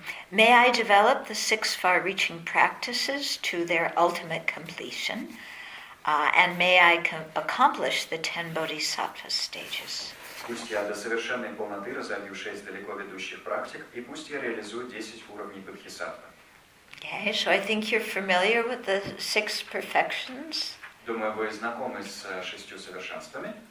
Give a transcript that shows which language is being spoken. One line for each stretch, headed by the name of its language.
English: May I develop the 6 far-reaching practices to their ultimate completion, and may I accomplish the 10 bodhisattva stages?
Russian: Пусть я до совершенной полноты разовью 6 далеко ведущих практик, и пусть я реализую 10 уровней бодхисаттвы.
English: Okay, so I think you're familiar with the 6 perfections.
Russian: Думаю, вы знакомы с 6 совершенствами.